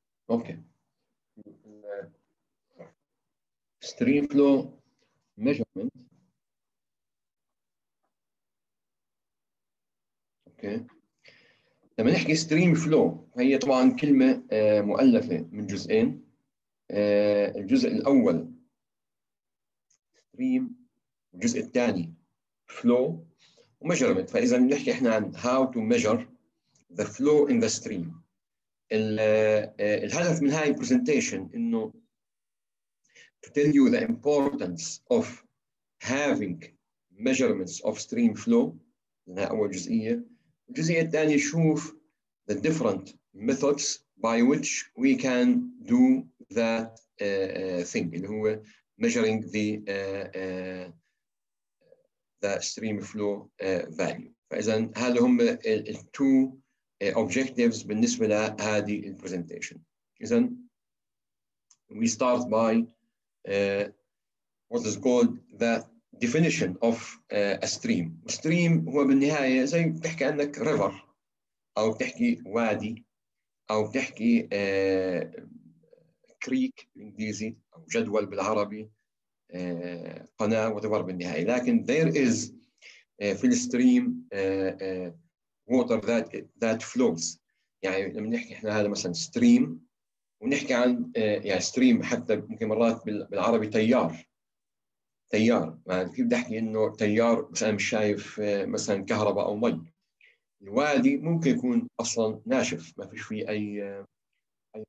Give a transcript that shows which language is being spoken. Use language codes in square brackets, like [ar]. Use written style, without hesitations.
[ar] أوكي، ستريم فلو ميجرمنت لما نحكي ستريم فلو، هي طبعا كلمة مؤلفة من جزئين. الجزء الأول ستريم، الجزء الثاني فلو وميجرمنت. فإذا نحكي إحنا عن [en] how to measure the flow in the stream، [ar] الهدف من هاي البرزنتيشن إنه [en] to tell you the importance of having measurements of stream flow، [ar] لأنها أول جزئية. الجزئية الثانية نشوف [en] the different methods by which we can do that thing [ar] اللي هو [en] measuring the stream flow value. [ar] فإذا هذا هم ال [en] two objectives [ar] بالنسبة لهذه ال presentation. [en] إذا we start by what is called the definition of a stream. [ar] Stream هو بالنهاية زي بتحكي عنك river أو بتحكي وادي أو بتحكي creek بالإنجليزي أو جدول بالعربي، قناة whatever بالنهاية. لكن [en] there is [ar] في الستريم water that flows. يعني لما نحكي إحنا هذا مثلا stream ونحكي عن يعني stream، حتى ممكن مرات بالعربي تيار، يعني كيف بدي احكي انه تيار بس انا مش شايف مثلا كهرباء او مي. الوادي ممكن يكون اصلا ناشف ما فيش فيه اي مي.